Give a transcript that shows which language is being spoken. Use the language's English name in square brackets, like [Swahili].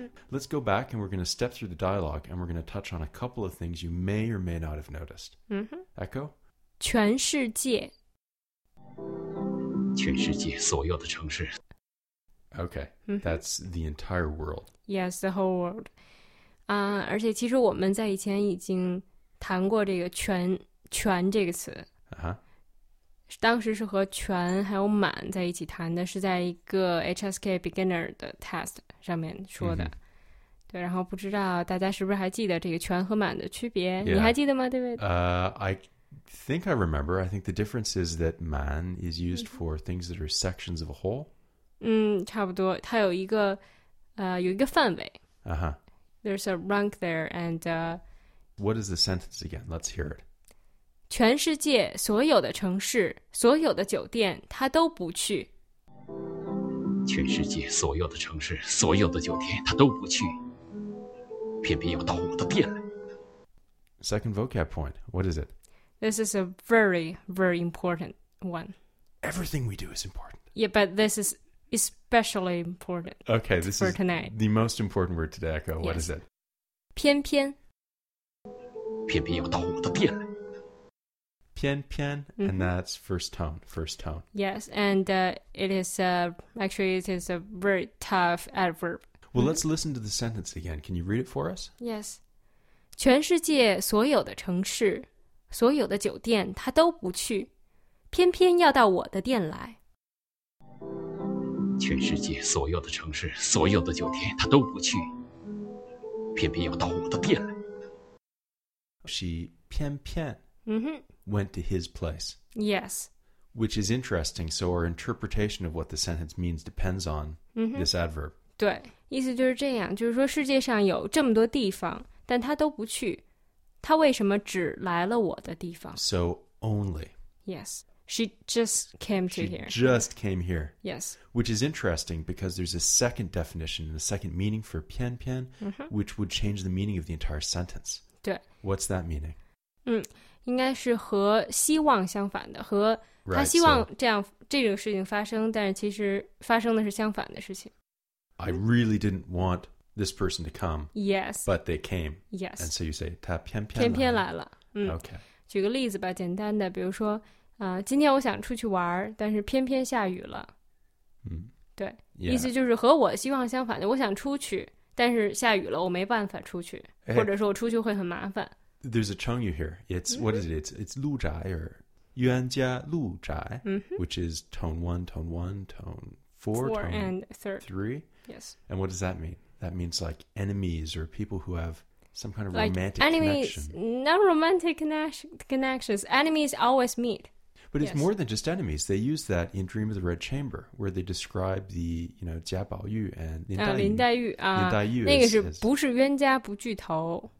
[English] Let's go back, and we're going to step through the dialogue, and we're going to touch on a couple of things you may or may not have noticed. Echo? [Chinese] 全世界。全世界所有的城市。 [English] Okay, that's the entire world. Yes, the whole world. [Chinese] 而且其实我们在以前已经谈过这个全这个词。当时是和全还有满在一起谈的，是在一个 HSK Beginner 的 test 上面说的。对，然后不知道大家是不是还记得这个全和满的区别？ [English] Yeah. [Chinese] 你还记得吗，David？ [English] I think I remember. I think the difference is that 满 is used for things that are sections of a whole. [Chinese] 差不多，它有一个有一个范围。 [English] There's a rank there, and what is the sentence again? Let's hear it. [Chinese] 全世界所有的城市，所有的酒店，他都不去。全世界所有的城市，所有的酒店，他都不去，偏偏要到我的店来。 [English] Second vocab point, what is it? This is a very, very important one. Everything we do is important. Yeah, but this is especially important. Okay, this for tonight. The most important word today, Echo. What is it? [Chinese] 偏偏。偏偏要到我的店来。 [English] Pian, pian, and that's first tone. Yes, and it is a very tough adverb. Well, let's listen to the sentence again. Can you read it for us? Yes. [Chinese] 全世界所有的城市，所有的酒店，他都不去，偏偏要到我的店来。全世界所有的城市，所有的酒店，他都不去，偏偏要到我的店来。 [English] She 偏偏。Went to his place. Yes. Which is interesting, so our interpretation of what the sentence means depends on this adverb. [Chinese] 对，意思就是这样，就是说世界上有这么多地方，但他都不去，他为什么只来了我的地方？ [English] So only. Yes. She just came to here. She just came here. Yes. Which is interesting because there's a second definition and a second meaning for 偏偏, which would change the meaning of the entire sentence. [Chinese] 对。 [English] What's that meaning? [Chinese] 应该是和希望相反的，和他希望这样 [English] right, so, [Chinese] 这个事情发生，但是其实发生的是相反的事情。 [English] I really didn't want this person to come. Yes. But they came. Yes. And so you say, [Chinese] 他偏偏偏偏来了。 [English] Okay. [Chinese] 举个例子吧，简单的，比如说，今天我想出去玩，但是偏偏下雨了。对， [English] yeah. [Chinese] 意思就是和我希望相反的，我想出去，但是下雨了，我没办法出去， [English] hey. [Chinese] 或者说我出去会很麻烦。 [English] There's a Chengyu here. It's, what is it? It's 路宅, or 原家路宅, which is tone 1, tone 4, four tone and third. 3. Yes. And what does that mean? That means like enemies or people who have some kind of like romantic enemies, connection. Not romantic connections. Enemies always meet. But it's yes. more than just enemies. They use that in Dream of the Red Chamber, where they describe the, you know, 贾宝玉and 林 [Chinese] 黛玉。那个是不是冤家不聚头。